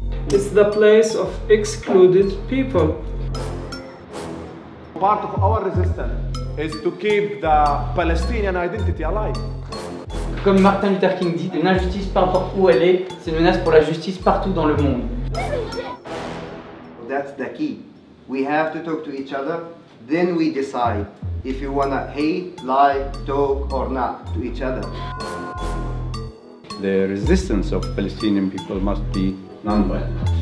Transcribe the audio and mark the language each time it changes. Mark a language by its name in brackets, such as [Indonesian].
[English] It's the place of excluded people. Part of our resistance is to keep the Palestinian identity alive. [French] Comme Martin Luther King dit, une injustice peu importe où elle est, c'est une menace pour la justice partout dans le monde. [English] That's the key. We have to talk to each other, then we decide if you want to hate, lie, talk or not to each other. The resistance of Palestinian people must be nonviolent.